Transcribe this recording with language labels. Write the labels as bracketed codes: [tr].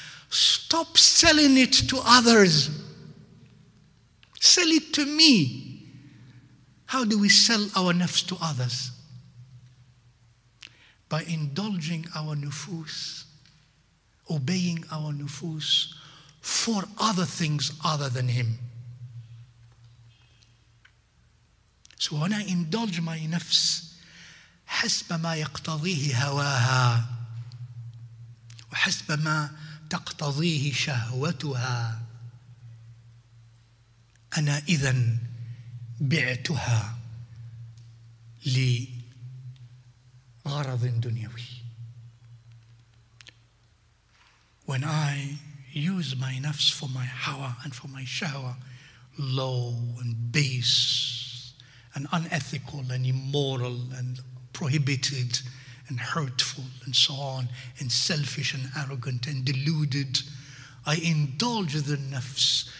[en] Stop selling it to others. Sell it to me. How do we sell our nafs to others? By indulging our nufus, obeying our nufus for other things other than him. So when I indulge my nafs, [ar] حسب ما يقتضيه هواها وحسب ما تقتضيه شهوتها أنا إذن بعتها لغرض دنيوي. [en] When I use my nafs for my hawa and for my shahwa, low and base and unethical and immoral and prohibited and hurtful and so on, and selfish and arrogant and deluded, I indulge the nafs.